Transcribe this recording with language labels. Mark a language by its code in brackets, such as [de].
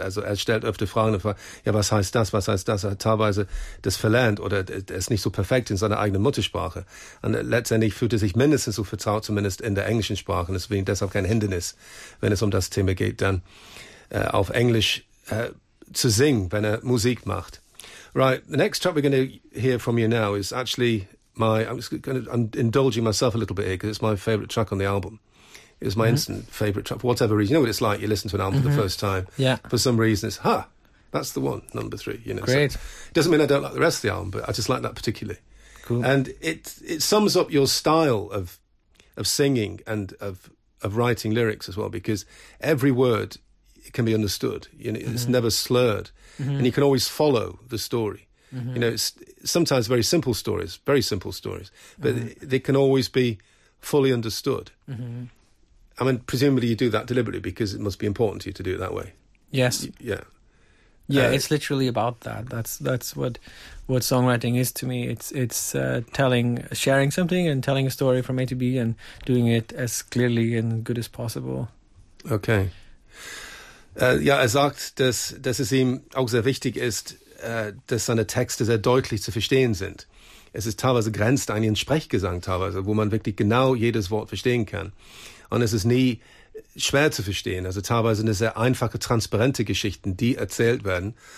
[de] Also er stellt öfter Fragen, ja, was heißt das, was heißt das? Er hat teilweise das verlernt oder er ist nicht so perfekt in seiner eigenen Muttersprache. Und letztendlich fühlt er sich mindestens so vertraut, zumindest in der englischen Sprache. Und es ist für ihn deshalb kein Hindernis, wenn es um das Thema geht, dann auf Englisch zu singen, wenn er Musik macht. [en] Right, the next track we're going to hear from you now is actually I'm indulging myself a little bit here, because it's my favorite track on the album. It was my instant favorite track, for whatever reason. You know what it's like, you listen to an album for the first time. Yeah. For some reason, it's, that's the one, number three. You know, great. So, doesn't mean I don't like the rest of the album, but I just like that particularly. Cool. And it sums up your style of singing and of writing lyrics as well, because every word can be understood. You know, it's never slurred. Mm-hmm. And you can always follow the story. Mm-hmm. You know, it's sometimes very simple stories, but they can always be fully understood. Mm-hmm. I mean, presumably you do that deliberately because it must be important to you to do it that way. Yes. Yeah. Yeah, it's literally about that. That's what songwriting is to me. It's sharing something and telling a story from A to B and doing it as clearly and good as possible. Okay. [de] Ja, er sagt, dass es ihm auch sehr wichtig ist, dass seine Texte sehr deutlich zu verstehen sind. Es ist teilweise grenzt an den Sprechgesang teilweise, wo man wirklich genau jedes Wort verstehen kann. Und es ist nie schwer zu verstehen. Also teilweise sind es sehr einfache, transparente Geschichten, die erzählt werden.